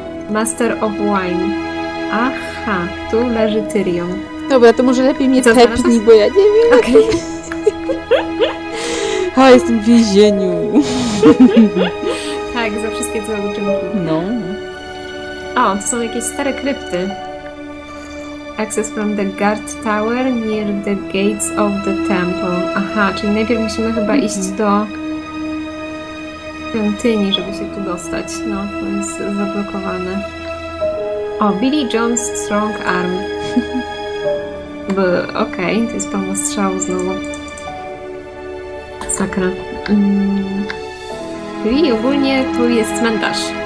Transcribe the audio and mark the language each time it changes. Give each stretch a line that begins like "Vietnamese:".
Polish: Master of Wine. Aha, tu leży Tyrion. Dobra, to może lepiej mnie tepnij, bo ja nie wiem. Okej. Okay. A, jestem w więzieniu. Tak, za wszystkie złe uczynki. No. O, to są jakieś stare krypty.
English: Access from the guard tower near the gates of the temple.
Polish: Aha, czyli najpierw musimy chyba iść do świątyni, żeby się tu dostać. No, to jest zablokowane. O, Billy John's strong arm. Okej, okay, to jest pełno strzał znowu. Sakra. I ogólnie tu jest cmentarz.